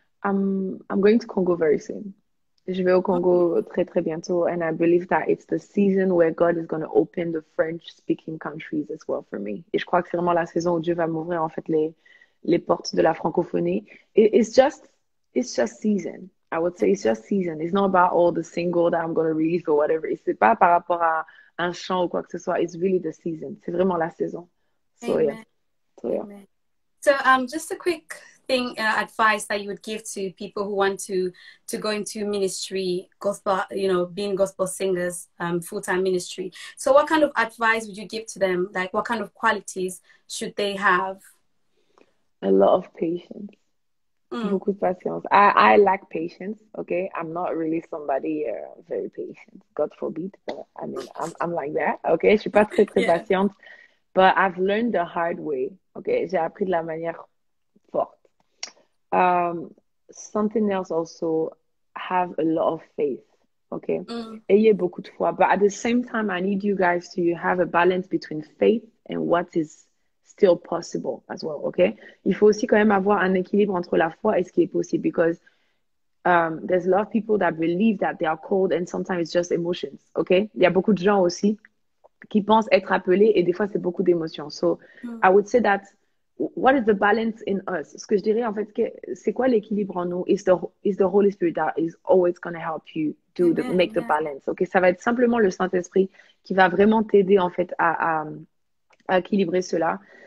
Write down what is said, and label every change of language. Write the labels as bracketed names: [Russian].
[English] I'm going to Congo very soon. [French] Je vais au Congo très très bientôt, [English] and I believe that it's the season where God is going to open the French-speaking countries as well for me. [French] Et je crois que c'est vraiment la saison où Dieu va m'ouvrir en fait les portes de la francophonie. [English] It's just season. I would say it's just season. It's not about all the single that I'm going to release or whatever. [French] Et c'est pas par rapport à un chant ou quoi que ce soit. [English] It's really the season. [French] C'est vraiment la saison. [English] So yeah. Amen. So yeah. Amen. So, just a quick thing, advice that you would give to people who want to go into ministry, gospel, being gospel singers, full-time ministry. So what kind of advice would you give to them? Like, what kind of qualities should they have? A lot of patience. [French] Beaucoup de patience. [English] I lack patience, okay? I'm not really somebody very patient, God forbid. But I mean, I'm like that, okay? [French] Je suis pas très, très patiente. [English] But I've learned the hard way, okay? [French] J'ai appris de la manière forte. [English] Something else also, have a lot of faith, okay? [French] Ayez beaucoup de foi. [English] But at the same time, I need you guys to have a balance between faith and what is still possible as well, okay? [French] Il faut aussi quand même avoir un équilibre entre la foi et ce qui est possible [English] because there's a lot of people that believe that they are called and sometimes it's just emotions, okay? [French] Il y a beaucoup de gens aussi qui pensent être appelés et des fois c'est beaucoup d'émotions. [English] So I would say that what is the balance in us? [French] Ce que je dirais en fait, c'est quoi l'équilibre en nous? [English] It's the Holy Spirit that is always going to help you make the balance, okay? [French] Ça va être simplement le Saint-Esprit qui va vraiment t'aider en fait à équilibrer cela.